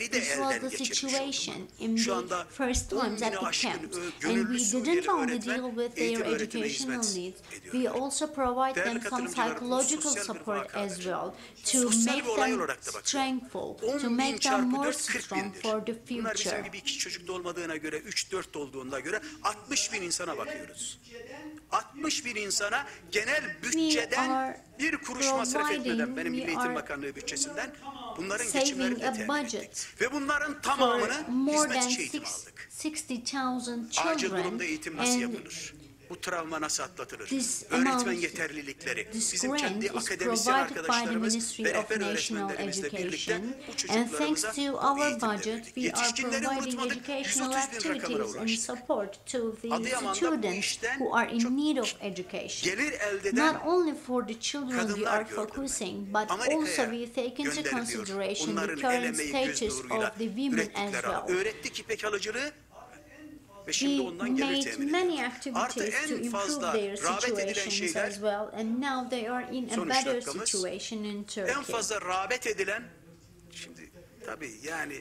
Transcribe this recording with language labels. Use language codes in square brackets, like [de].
[en] This was the situation in the first ones at the camp. And we didn't only deal with their educational needs, we also provide them some psychological support as well to make them strengthful, to make them more strong for the future. [tr] Bunlar bizim gibi iki çocuk olmadığına göre, 3-4 olduğuna göre 60 bin insana bakıyoruz. 60 bin insana genel bütçeden bir kuruş masraf etmeden, benim Milli Eğitim Bakanlığı bütçesinden bunların geçimlerini de temin ettik. Ve bunların tamamını hizmetçi eğitimi aldık. [en] 60,000 children. [tr] Acil durumda eğitim nasıl yapılır? Bu travma nasıl atlatılır? Öğretmen yeterlilikleri, bizim kendi akademisyen arkadaşlarımız ve rehber öğretmenlerimizle birlikte bu çocuklarımıza eğitim verdik. Yetişkinleri unutmadık, 130 bin rakamına ulaştık. Adıyaman'da bu işten [en] who are in need of education. [tr] Gelir elde eden [en] not only for the children we are focusing, but also we take into consideration the current status of the women as well. [tr] Öğrettik ipek alıcılığı. Ve şimdi ondan geri temin ediyoruz. Artı en fazla rağbet edilen şeyler, en fazla rağbet edilen, şimdi tabii yani